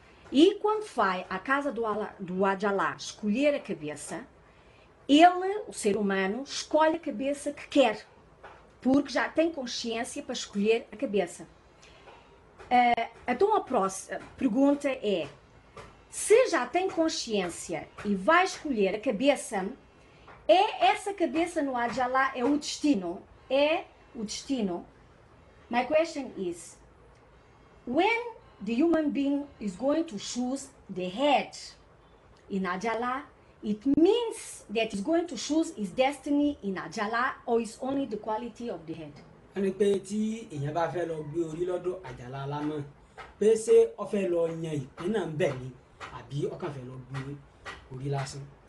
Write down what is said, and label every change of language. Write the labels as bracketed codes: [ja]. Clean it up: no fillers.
[pt] E quando vai à casa do Ajalá escolher a cabeça, ele, o ser humano, escolhe a cabeça que quer, porque já tem consciência para escolher a cabeça. Então a próxima pergunta é: se já tem consciência e vai escolher a cabeça, é essa cabeça no Ajalá, é o destino? É o destino? [en] My question is: when the human being is going to choose the head in Ajala, it means that he's going to choose his destiny in Ajala, or is only the quality of the head? [yo] ẹni pé tí èèyàn bá fẹ́ lọ gbé orí lọ́dọ̀ àjàlá lámọ́ pé ṣé ọ fẹ́ lọ yan ìpín náà ń bẹ̀ ni àbí ọ kàn fẹ́ lọ gbé orí lásán.